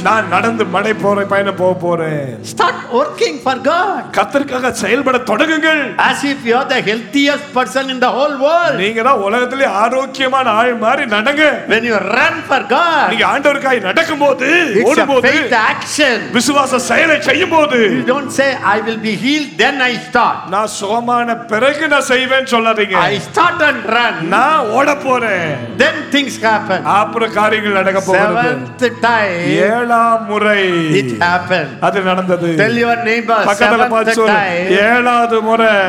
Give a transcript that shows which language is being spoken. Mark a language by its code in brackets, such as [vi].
[ta] நான் நடந்து மலை போறேன், பயணம் போக போறேன். [en] Start working for God, [ta] கர்த்தருக்காக செயல்பட தொடங்குங்கள். [en] As if you are the healthiest person in the whole world, [ta] நீங்க தான் உலகத்திலே ஆரோக்கியமான ஆள் மாதிரி நடங்க. [en] When you run for God, [ta] நீங்க ஆண்டவருக்காய் நடக்கும் போது, ஓடும் போது, [en] it's a faith action, [ta] விசுவாச [en] You don't say, I will be healed, then I start. [ta] நா சுகமான பிறகு நான் செய்வேன் சொல்லாதீங்க. [en] I start and run, [ta] நான் ஓட போறேன். [en] Then things happen. [ta] அப்புற காரியங்கள் நடக்க போகுது. ஏழாம் முறை, [en] it happened, [ta] அது நடந்தது. [en] Tell your neighbor, [ta] பக்கத்துல பாத்து சொல்லு, ஏழாவது முறை,